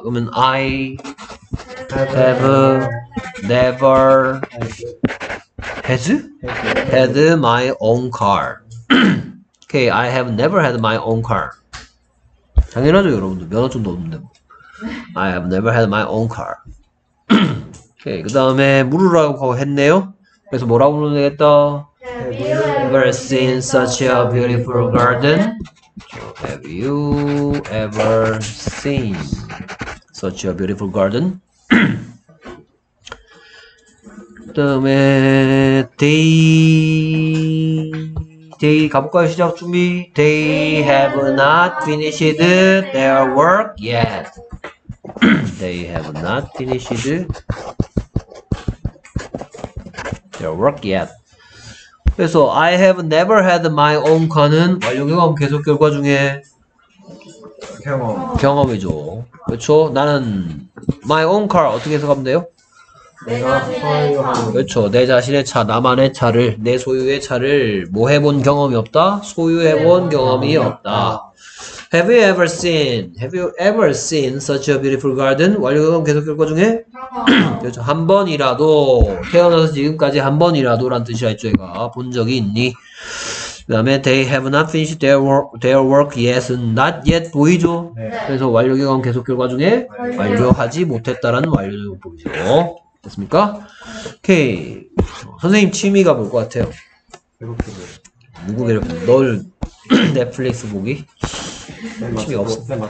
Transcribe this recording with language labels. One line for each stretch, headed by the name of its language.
Korean: 그러면
English: I have never had my own car. 오케이, I have never had my own car.
Korean: 당연하죠, 여러분들. 면허증도 없는데 뭐.
English: I have never had my own car.
Korean: 오케이, 그 다음에 물으라고 했네요. 그래서 뭐라고 물으면 되겠다?
English: Have you ever seen such a beautiful garden? Have you ever seen such a beautiful garden?
Korean: 그 다음에 they 가볼까요? 시작 준비.
English: They have not finished their work yet. They have not finished their work yet. 그래서 I have never had my own car는
Korean: 완료경험 계속 결과 중에 경험. 경험이죠. 그렇죠? 나는
English: my own car
Korean: 어떻게 해석하면 돼요? 내가 소유한. 그렇죠. 내 자신의 차, 나만의 차를, 내 소유의 차를 뭐 해본 경험이 없다? 소유해본 경험이 없다.
English: Have you ever seen? Have you ever seen such a beautiful garden?
Korean: 완료경험 계속 결과 중에 그렇죠. 한 번이라도 태어나서 지금까지 한 번이라도란 뜻이야. 제가 본 적이 있니?
English: 그다음에 they have not finished their work yet. Not yet 보이죠?
Korean: 네. 그래서 완료경험 계속 결과 중에 완료하지 못했다라는 완료경험 보이죠? 됐습니까? 오케이. 선생님 취미가 뭘 것 같아요? 누구 괴롭히는? 널 넷플릭스 보기? 취미 없어.